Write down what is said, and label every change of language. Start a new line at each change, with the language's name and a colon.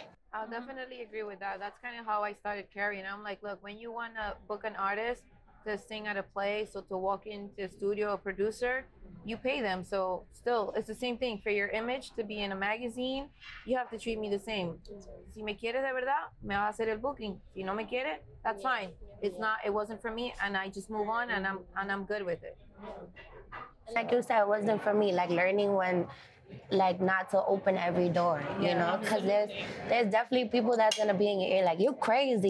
English: I'll definitely agree with that. That's kind of how I started carrying. I'm like, look, when you want to book an artist to sing at a place, so to walk into a studio, a producer, you pay them. So still, it's the same thing. For your image to be in a magazine, you have to treat me the same.
Spanish: Si me quieres de verdad, me va a hacer el booking. Si no me quiere,
English: that's fine. It's not, it wasn't for me, and I just move on, and I'm good with it. Like you said, it wasn't for me. Like, learning when, like, not to open every door, you know, because there's definitely people that's going to be in your ear like, you're crazy.